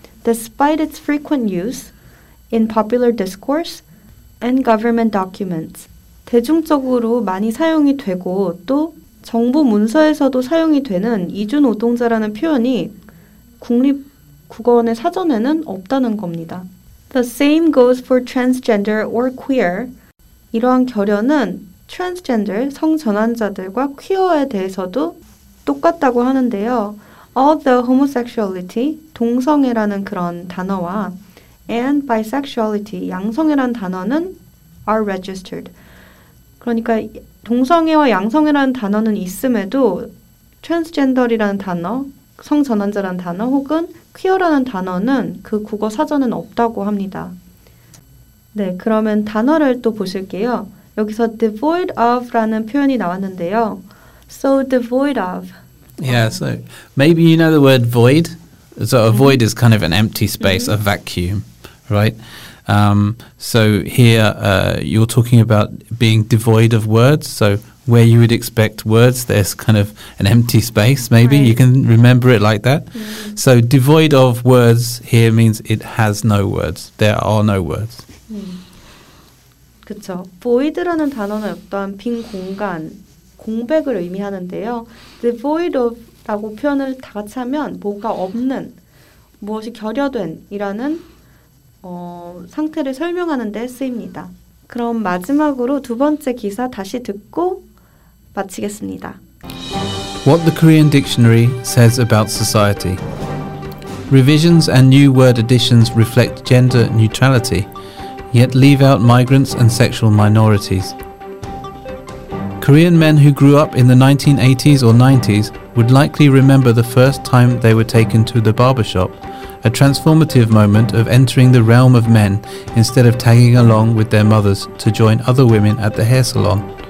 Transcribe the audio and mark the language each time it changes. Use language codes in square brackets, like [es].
[en] Despite its frequent use in popular discourse and government documents. [ko] 대중적으로 많이 사용이 되고 또 정부 문서에서도 사용이 되는 이주노동자라는 표현이 국립국어원의 사전에는 없다는 겁니다. [en] The same goes for transgender or queer. [ko] 이러한 결여는 transgender, 성전환자들과 queer에 대해서도 똑같다고 하는데요. [en] Although homosexuality, [ko] 동성애라는 그런 단어와 [en] and bisexuality, [ko] 양성애라는 단어는 [en] are registered. [ko] 그러니까 동성애와 양성애라는 단어는 있음에도 transgender이라는 단어, 성전환자라는 단어 혹은 queer라는 단어는 그 국어 사전은 없다고 합니다. 네, 그러면 단어를 또 보실게요. 여기서 devoid of라는 표현이 나왔는데요. [en] So devoid of. Yeah, so maybe you know the word void. So a void is kind of an empty space, a vacuum, right? So here you're talking about being devoid of words. So where you would expect words, there's kind of an empty space, maybe. Right. You can remember it like that. Mm-hmm. So devoid of words here means it has no words. There are no words. [ko] Mm. 그렇죠. void라는 단어는 어떤 빈 공간, 공백을 의미하는데요. devoid of라고 표현을 다 같이 하면 뭐가 없는, 무엇이 결여된이라는 상태를 설명하는 데 쓰입니다. 그럼 마지막으로 두 번째 기사 다시 듣고 마치겠습니다. [en] What the Korean Dictionary says about society. Revisions and new word additions reflect gender neutrality. Yet leave out migrants and sexual minorities. Korean men who grew up in the 1980s or 90s would likely remember the first time they were taken to the barbershop, a transformative moment of entering the realm of men instead of tagging along with their mothers to join other women at the hair salon.